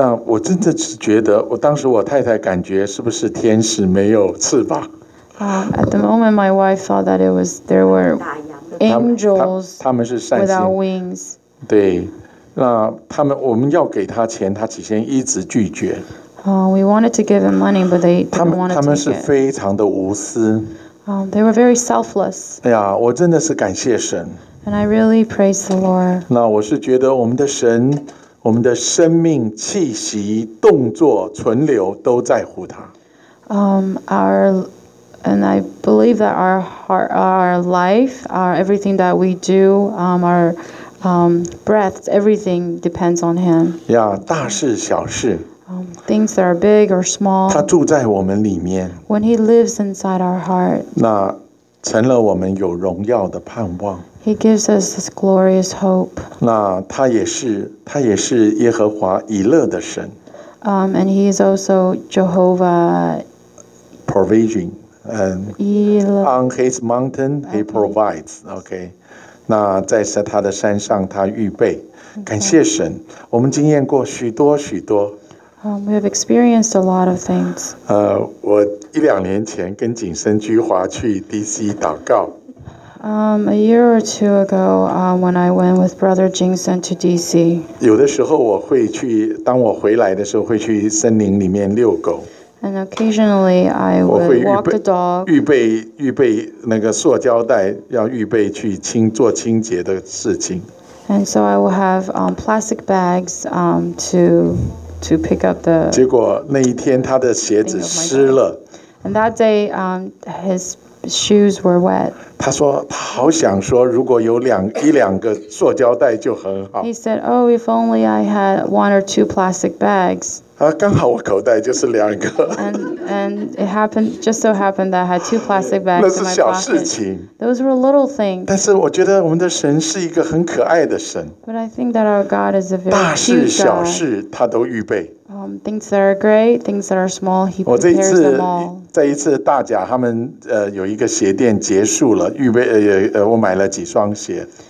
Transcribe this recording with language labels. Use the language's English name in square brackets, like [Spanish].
[Chinese] 我真的是觉得，我当时我太太感觉是不是天使没有翅膀。 [English] At the moment, my wife thought that there were angels without wings. [Chinese] 对，那他们我们要给他钱，他起先一直拒绝。 [English] We wanted to give him money, but they didn't want to take it. [Chinese] 他们是非常的无私。 [English] They were very selfless. [Chinese] 哎呀，我真的是感谢神。 [English] And I really praise the Lord. [Chinese] 那我是觉得我们的神，我们的生命、气息、动作、存留都在乎他。 [English] And I believe that our heart, our life, our everything that we do, our breaths, everything depends on Him. [Chinese] Yeah, 大事小事。 [English] Things that are big or small. [Chinese] 他住在我们里面。 [English] When He lives inside our heart. [Chinese] 那成了我们有荣耀的盼望。 [English] He gives us this glorious hope. [Chinese] 那他也是耶和华以勒的神。 [English] And He is also Jehovah. Provision. On his mountain, he provides. [Chinese] Okay, 那在他的山上，他预备。感谢神，我们经验过许多许多。 [English] We have experienced a lot of things. [Chinese] 我一两年前跟景深居华去 DC 祷告。 [English] A year or two ago, when I went with Brother Jingsen to DC. [Chinese] 有的时候我会去，当我回来的时候会去森林里面遛狗。 [English] And occasionally, I would walk the dog. [Chinese] 预备那个塑胶袋，要预备去做清洁的事情。 [English] And so I will have plastic bags to pick up the. [Chinese] 结果那一天他的鞋子湿了。 [English] And that day, his shoes were wet. [Chinese] 他说他好想说，如果有一两个塑胶袋就很好。 [English] He said, "Oh, if only I had 1 or 2 plastic bags." [Chinese] 刚好我口袋就是两个。 [English] And it happened, just so happened that I had 2 plastic bags in my pocket. [Chinese] 那是小事情。 [English] Those were little things. [Chinese] 但是我觉得我们的神是一个很可爱的神。 [English] But I think that our God is a very cute God. [Chinese] 大事小事他都预备。 [English] Things that are great, things that are small, He prepares them all. [Chinese] 在一次大甲他们有一个鞋店结束了，预备我买了几双鞋。